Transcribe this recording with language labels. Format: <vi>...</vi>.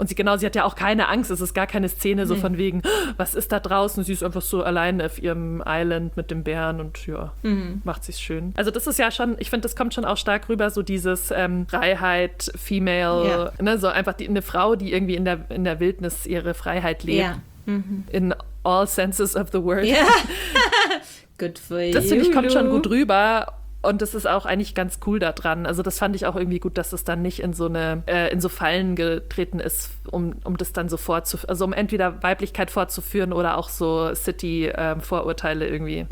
<de>Und sie hat ja auch keine Angst, es ist gar keine Szene so von wegen, was ist da draußen? Sie ist einfach so allein auf ihrem Island mit dem Bären und ja, macht sich schön. Also das ist ja schon, ich finde, das kommt schon auch stark rüber, so dieses Freiheit, Female, ne, so einfach eine Frau, die irgendwie in der Wildnis ihre Freiheit lebt.</de> <en>In all senses of the word. Good for you.</en> <de>Das finde ich kommt schon gut rüber. Und das ist auch eigentlich ganz cool da dran. Also das fand ich auch irgendwie gut, dass es dann nicht in so eine in so Fallen getreten ist, um das dann so vorzuführen. Also um entweder Weiblichkeit vorzuführen oder auch so City-Vorurteile irgendwie.</de>